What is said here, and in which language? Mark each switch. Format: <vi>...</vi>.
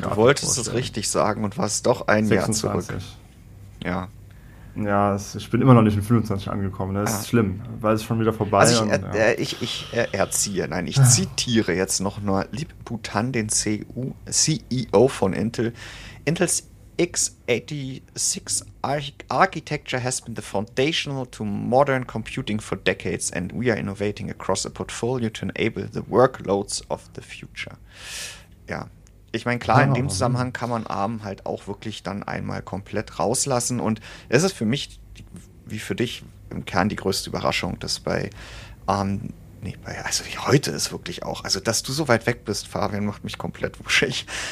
<de>Du wolltest es richtig sagen und warst doch ein 26. Jahr zurück. Ja. Ja, ich bin immer noch nicht in 25 angekommen. Das ist schlimm, weil es schon wieder vorbei ist. Also ich zitiere jetzt noch nur Lip Bhutan, den CEO von Intel.</de> <en>Intels x86 architecture has been the foundational to modern computing for decades and we are innovating across a portfolio to enable the workloads of the future.</en> <de>Ja, ich meine, klar, in dem Zusammenhang kann man ARM halt auch wirklich dann einmal komplett rauslassen und es ist für mich, wie für dich, im Kern die größte Überraschung, dass bei ARM, dass du so weit weg bist, Fabian, macht mich komplett wuschig.</de>